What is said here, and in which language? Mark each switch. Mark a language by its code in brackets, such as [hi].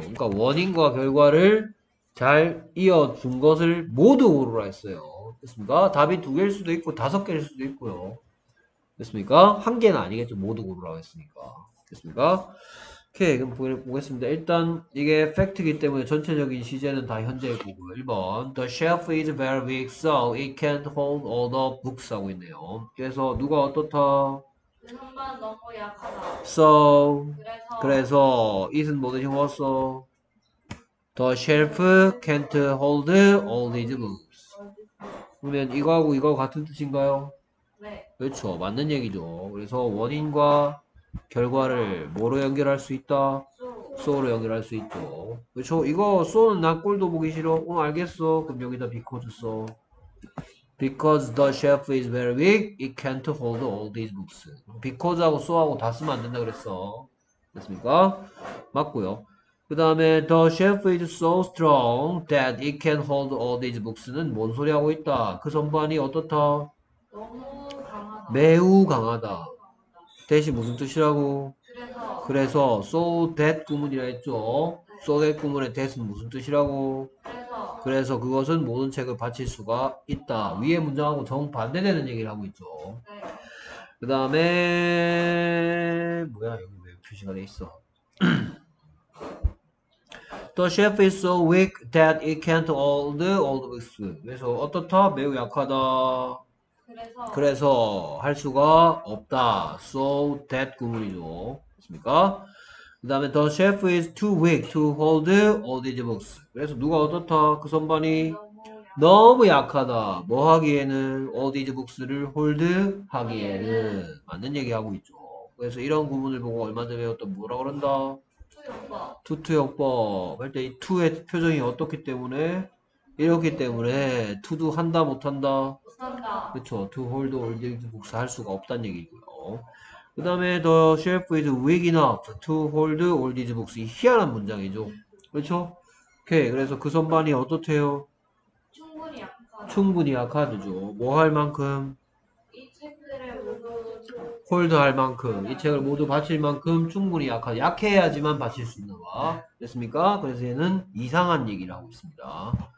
[ko] 그러니까 원인과 결과를 잘 이어준 것을 모두 오로라 했어요. 됐습니까? 답이 두 개일 수도 있고, 다섯 개일 수도 있고요. 됐습니까? 한 개는 아니겠죠. 모두 오로라 했으니까. 됐습니까? 오케이. 그럼 보겠습니다. 일단, 이게 팩트이기 때문에 전체적인 시제는 다 현재 거고요. 1번. [en] The shelf is very big, so it can't hold all the books [ko] 하고 있네요. 그래서, 누가 어떻다? 선반 너무 약하다. [en] So, [ko] 그래서 그래서, it은 뭐든지 왔어. [en] The shelf can't hold all these books. [ko] 그러면 이거하고 이거 같은 뜻인가요? 네. 그렇죠. 맞는 얘기죠. 그래서 원인과 결과를 뭐로 연결할 수 있다? 소로 연결할 수 있죠. 그렇죠. 이거 소는 난 꼴도 보기 싫어. 어, 알겠어. 그럼 여기다 because 써. [en] Because the shelf is very big, it can't hold all these books. [ko] Because하고 so하고 다 쓰면 안 된다 그랬어. 됐습니까? 맞고요. 그 다음에 [en] the shelf is so strong that it can hold all these books는 [ko] 뭔 소리 하고 있다? 그 선반이 어떻다? 너무 매우 강하다. 대신 무슨 뜻이라고? 그래서 so that 구문이라 했죠. so that 구문의 that은 무슨 뜻이라고? 그래서 그것은 모든 책을 바칠 수가 있다. 위에 문장하고 정반대되는 얘기를 하고 있죠. 그 다음에 뭐야? 여기 왜 표시가 돼 있어? [en] The shelf is so weak that it can't hold all the books. [ko] 그래서 어떻다? 매우 약하다. 그래서 할 수가 없다. So that 구문이죠. 맞습니까? 그 다음에 [en] The shelf is too weak to hold all these books. [ko] 그래서 누가 어떻다? 그 선반이 너무 약하다. 뭐 하기에는? [en] All these books [ko] 를 hold 하기에는. 맞는 얘기하고 있죠. 그래서 이런 구문을 보고 얼마 전에 배웠던 뭐라 그런다? 투투역법 할때이 투의 표정이 어떻기 때문에? 이렇기 때문에 to do 한다 못한다? 못한다. 그쵸. [en] to hold all these books [ko] 할 수가 없단 얘기고요. 그 다음에 [en] the shelf is weak enough to hold all these books. [ko] 이 희한한 문장이죠. 그렇죠? 오케이. 그래서 그 선반이 어떻대요? 충분히 약하다. 충분히 약하죠. 뭐할 만큼? 이 책들을 모두 홀드 할 만큼, 이 책을 모두 바칠 만큼 충분히 약하죠. 약해야지만 바칠 수 있는 거 됐습니까? 그래서 얘는 이상한 얘기를 하고 있습니다.